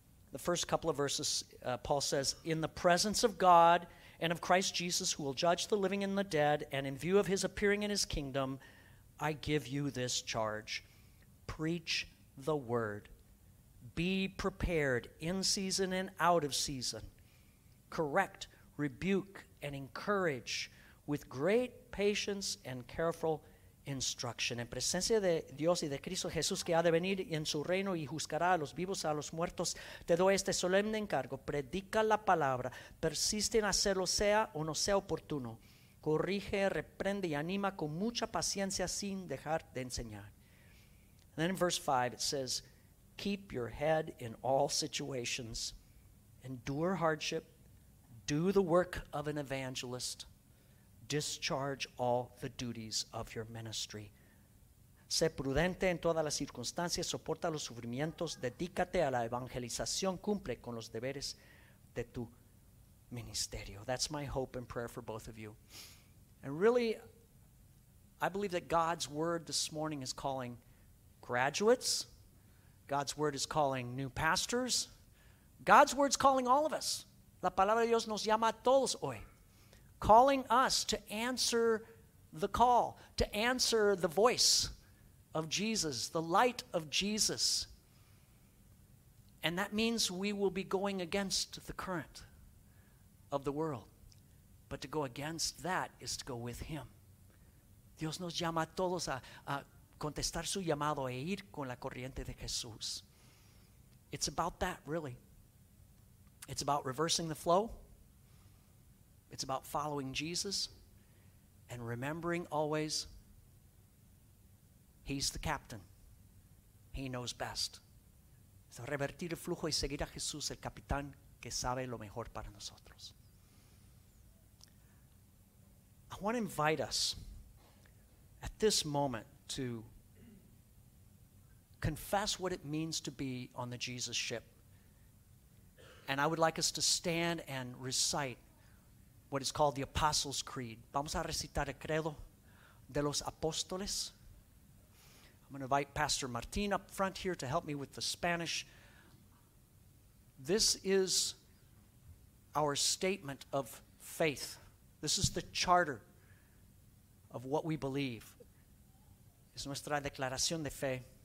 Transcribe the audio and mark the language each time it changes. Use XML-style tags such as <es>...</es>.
<en>The first couple of verses, Paul says, in the presence of God and of Christ Jesus, who will judge the living and the dead, and in view of his appearing in his kingdom, I give you this charge. Preach the word. Be prepared in season and out of season. Correct, rebuke, and encourage with great patience and careful instruction.</en> <es>En presencia de Dios y de Cristo Jesús que ha de venir en su reino y juzgará a los vivos y a los muertos, te doy este solemne encargo. Predica la palabra. Persiste en hacerlo, sea o no sea oportuno. Corrige, reprende y anima con mucha paciencia sin dejar de enseñar.</es> <en>And then in verse 5 it says, keep your head in all situations. Endure hardship. Do the work of an evangelist. Discharge all the duties of your ministry.</en> <es>Sé prudente en todas las circunstancias, soporta los sufrimientos, dedícate a la evangelización, cumple con los deberes de tu ministerio.</es> <en>That's my hope and prayer for both of you. And really, I believe that God's word this morning is calling graduates. God's word is calling new pastors. God's word's calling all of us.</en> <es>La palabra de Dios nos llama a todos hoy.</es> <en>Calling us to answer the call, to answer the voice of Jesus, the light of Jesus. And that means we will be going against the current of the world. But to go against that is to go with him.</en> <es>Dios nos llama a todos a contestar su llamado e ir con la corriente de Jesús.</es> <en>It's about that, really. It's about reversing the flow. It's about following Jesus and remembering always he's the captain. He knows best.</en> <es>Es revertir el flujo y seguir a Jesús, el capitán que sabe lo mejor para nosotros.</es> <en>I want to invite us at this moment to confess what it means to be on the Jesus ship. And I would like us to stand and recite what is called the Apostles' Creed.</en> <es>Vamos a recitar el credo de los apóstoles.</es> <en>I'm going to invite Pastor Martin up front here to help me with the Spanish. This is our statement of faith. This is the charter of what we believe.</en> <es>Es nuestra declaración de fe.</es>